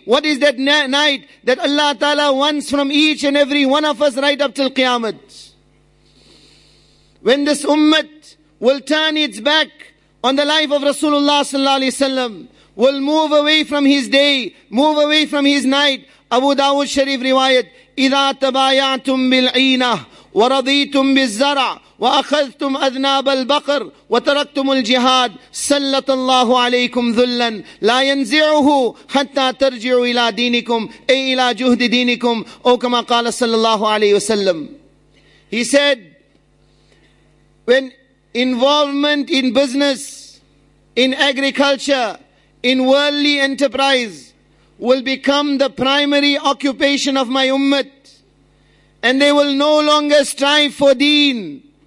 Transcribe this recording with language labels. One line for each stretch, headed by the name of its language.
English: What is that night that Allah Ta'ala wants from each and every one of us right up till Qiyamah? When this ummah will turn its back on the life of Rasulullah sallallahu alaihi wasallam, will move away from his day, move away from his night.
Arabic: Abu Dawud Sharif riwayat, إِذَا تَبَايَعْتُمْ بِالْعِينَةِ وَرَضِيْتُمْ بِالزَّرَعِ وَأَخَذْتُمْ أَذْنَابَ الْبَقْرِ وَتَرَكْتُمُ الْجِهَادِ سَلَّطَ اللَّهُ عَلَيْكُمْ ذُلًّا لَا يَنْزِعُهُ حَتَّى تَرْجِعُوا إِلَى دِينِكُمْ أي إِلَى جُهْدِ دِينِكُمْ أو كَمَا قَالَ صَلَّى اللَّهُ عَلَيْهُ وَسَلَّمْ.
English: He said, when involvement in business, in agriculture, in worldly enterprise will become the primary occupation of my ummah, and they will no longer strive for deen.